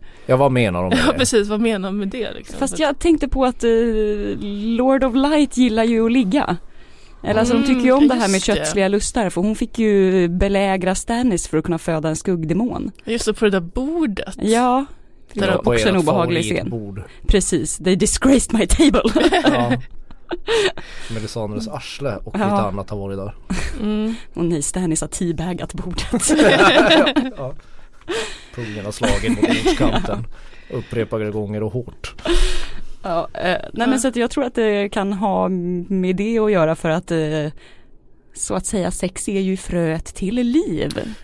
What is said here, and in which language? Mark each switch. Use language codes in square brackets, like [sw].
[sv] Ja, vad menar de med det? Ja, precis. Vad menar de med det? Liksom? Fast jag tänkte på att Lord of Light gillar ju att ligga. Eller alltså, de tycker ju om det här med köttsliga lustar. För hon fick ju belägra Stannis för att kunna föda en skuggdemon. Just det, på det där bordet. Ja, det var också en obehaglig scen. Bord. Precis, [en] they disgraced my table. [sv] Ja. Melisandres arsle och lite annat har varit där. Mm. Och nej, Stannis har teabaggat bordet. Pungen har slagit mot bordskanten upprepade gånger och hårt. Men så att jag tror att det kan ha med det att göra, för att så att säga, sex är ju fröet till liv.